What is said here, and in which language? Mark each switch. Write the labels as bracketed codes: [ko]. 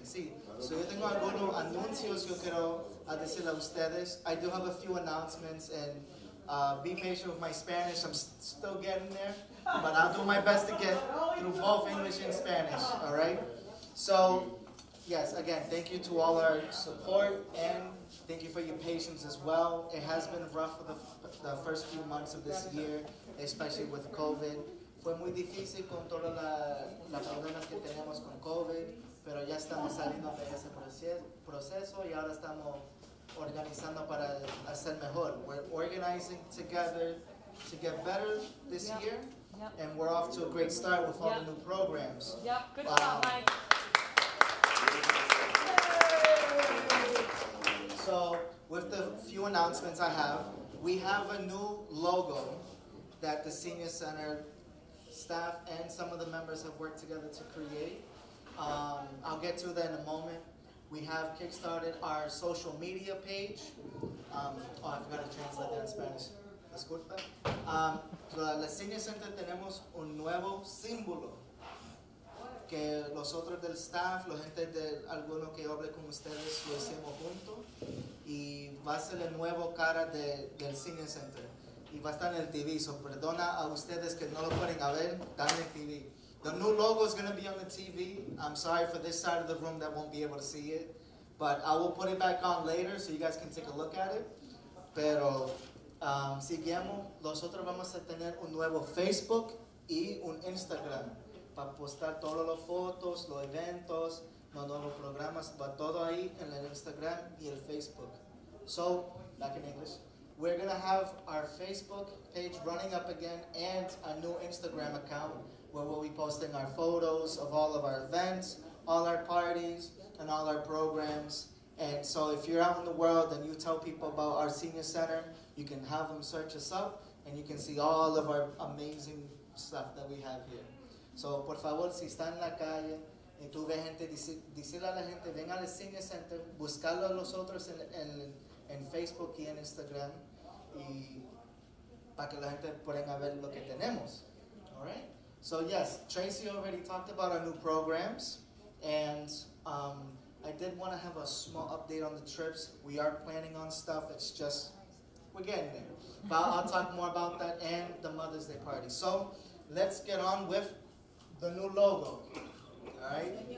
[en] See, so [es] yo tengo algunos anuncios que quiero decir a ustedes. [en] I do have a few announcements, and be patient with my Spanish. I'm still getting there, but I'll do my best to get through both English and Spanish, all right? So, yes, again, thank you to all our support, and thank you for your patience as well. It has been rough for the first few months of this year, especially with COVID. [es] Fue muy difícil con todas las problemas que tenemos con COVID, pero ya estamos saliendo de ese proceso y ahora estamos organizando para hacer mejor. [en] We're organizing together to get better this year, and we're off to a great start with all the new programs. Yep, good job, Mike. Yay. So, with the few announcements I have, we have a new logo that the Senior Center staff and some of the members have worked together to create. I'll get to that in a moment. We have kickstarted our social media page. I forgot to translate that in Spanish. [es] Disculpa. La Senior Center tenemos un nuevo símbolo que los otros del staff, los gente de alguno que hable con ustedes, lo hicimos junto. Y va a ser el nuevo cara del Senior Center. Y va a estar en el TV, so perdona a ustedes que no lo pueden ver, dan el TV. [en] The new logo is going to be on the TV. I'm sorry for this side of the room that won't be able to see it. But I will put it back on later so you guys can take a look at it. [es] Pero seguimos, nosotros vamos a tener un nuevo Facebook y un Instagram para postar todas las fotos, los eventos, los nuevos programas, va todo ahí en el Instagram y el Facebook. [en] So, back in English. We're gonna have our Facebook page running up again and a new Instagram account where we'll be posting our photos of all of our events, all our parties, and all our programs. And so if you're out in the world and you tell people about our Senior Center, you can have them search us up and you can see all of our amazing stuff that we have here. [es] So por favor, si están en la calle y tú ves gente, decirle a la gente, ven al Senior Center, buscarlo a los otros en Facebook y en Instagram, y para que la gente pueda ver lo que tenemos, [en] all right? So yes, Tracy already talked about our new programs, and I did want to have a small update on the trips. We are planning on stuff, it's just, we're getting there. But I'll talk more about that and the Mother's Day party. So let's get on with the new logo, all right?